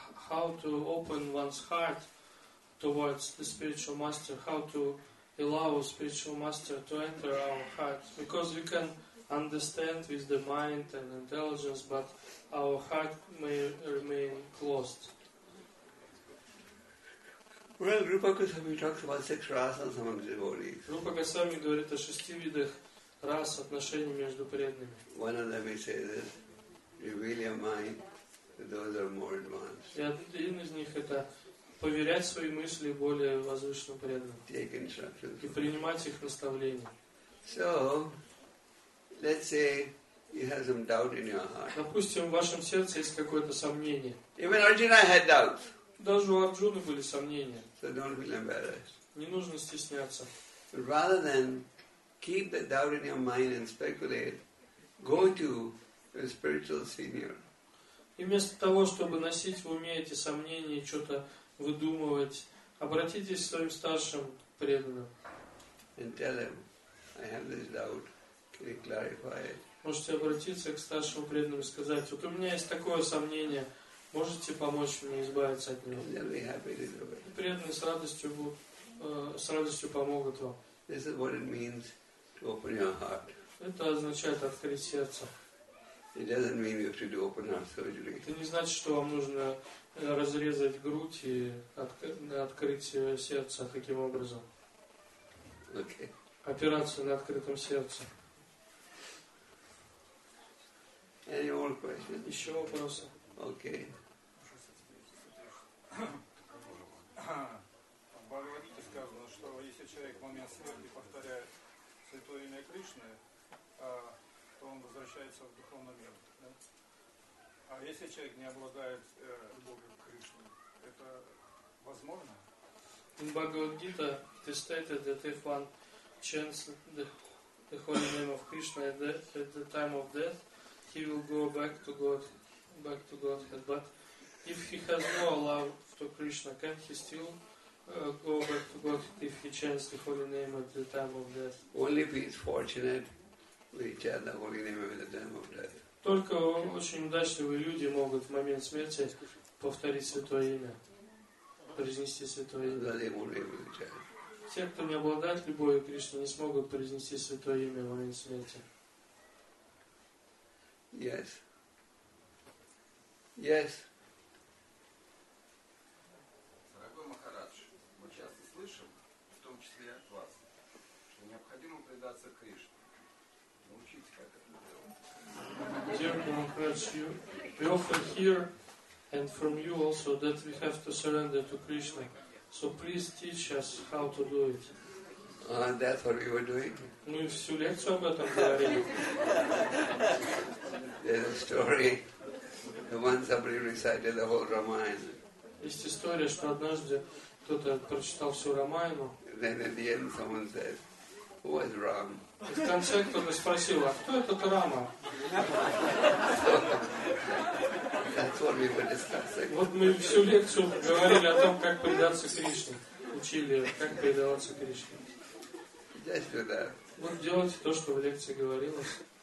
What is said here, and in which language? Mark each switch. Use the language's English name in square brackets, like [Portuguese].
[English] how to open one's heart towards the spiritual master, how to allow spiritual master to enter our heart, because we can understand with the mind and intelligence, but our heart may remain closed. Well, Rupa Goswami talks about six rasas among devotees. [Russian] Rupa Goswami говорит о шести видах рас отношений между преданными. [English] One of them, he says, is reveal your mind. Those are more advanced. [Russian] И один из них это поверять свои мысли более возвышенным преданным и принимать их наставления. [English] So, let's say you have some doubt in your heart. [Russian] Допустим, в вашем сердце есть какое-то сомнение. [English] Even Arjuna had doubts. [Russian] Даже у Арджуны были сомнения. [English] So don't feel embarrassed. [Russian] Не нужно стесняться. [English] Rather than keep the doubt in your mind and speculate, go to a spiritual senior. [Russian] И вместо того, чтобы носить в уме эти сомнения и что-то выдумывать, обратитесь к своим старшим преданным. [English] And tell him, I have this doubt. Can you clarify it? [Russian] Можете обратиться к старшим преданным и сказать, вот у меня есть такое сомнение, можете помочь мне избавиться от него? [English] They'll be happy to do it. [Russian] И преданные с радостью помогут вам. [English] This is what it means to open your heart. [Russian] Это означает открыть сердце. [English] It doesn't mean you have to do open heart surgery. [Russian] Это не значит, что вам нужно разрезать грудь и открыть сердце таким образом. [English] Okay. [Russian] Операция на открытом сердце. [English] Any more questions? [Russian] Еще вопросы? [English] Okay. [Russian] В Бхагавадгите сказано, что если человек в момент смерти повторяет святое имя Кришны, то он возвращается в духовный мир. А если человек не обладает Богом Кришной, это возможно? [English] In Bhagavad-gita, it is stated that if one chants the holy name of Krishna at the time of death, he will go back to Godhead. But if he has no love to Krishna, can he still go back to Godhead if he chants the holy name at the time of death? Only if he is fortunate, we chant the holy name at the time of death. [Russian] Только очень удачливые люди могут в момент смерти повторить святое имя, произнести святое имя. Те, кто не обладает любовью к Кришне, не смогут произнести святое имя в момент смерти. [English] Yes. Yes. [Russian] Дорогой Махарадж, мы часто слышим, в том числе и от вас, что необходимо предаться Кришне. [English] Dear Mahārāj, we often hear, and from you also, that we have to surrender to Krishna. So please teach us how to do it. And that's what we were doing. [Russian] Мы всю лекцию об этом говорили. [English] There's a story. The one somebody recited the whole Ramayana. [Russian] Есть история, что однажды кто-то прочитал всю Рамаяну. [English] Then at the end, someone said, "Who was wrong?" [Russian] И в конце кто-то спросил, а кто этот Рама? [English] That's what we were discussing. [Russian] Вот мы всю лекцию говорили о том, как предаться Кришне. Учили, как предаваться Кришне. [English] Just do that. [Russian] Вот делайте то, что в лекции говорилось.